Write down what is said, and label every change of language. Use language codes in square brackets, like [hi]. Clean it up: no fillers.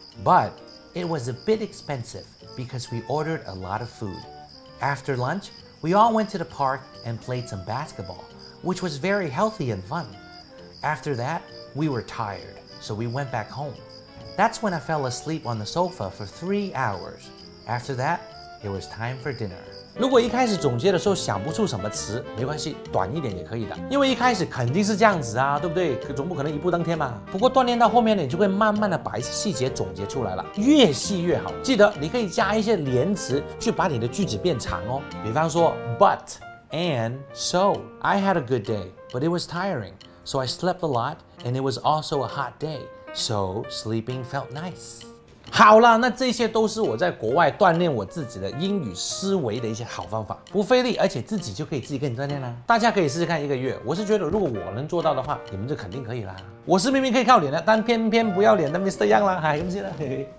[en] But it was a bit expensive because we ordered a lot of food. After lunch, we all went to the park and played some basketball, which was very healthy and fun. After that, we were tired, so we went back home. That's when I fell asleep on the sofa for 3 hours. After that, it was time for dinner. [zh] 如果一开始总结的时候想不出什么词，没关系，短一点也可以的，因为一开始肯定是这样子啊，对不对？总不可能一步登天嘛。不过锻炼到后面呢，你就会慢慢的把一些细节总结出来了，越细越好。记得你可以加一些连词去把你的句子变长哦，比方说 [en] But and so I had a good day, but it was tiring, so I slept a lot, and it was also a hot day, so sleeping felt nice. [zh] 好了，那这些都是我在国外锻炼我自己的英语思维的一些好方法，不费力，而且自己就可以自己跟你锻炼啦。大家可以试试看一个月，我是觉得如果我能做到的话，你们就肯定可以啦。我是明明可以靠脸的，但偏偏不要脸的 Mr. Yang 啦，还行不行呢？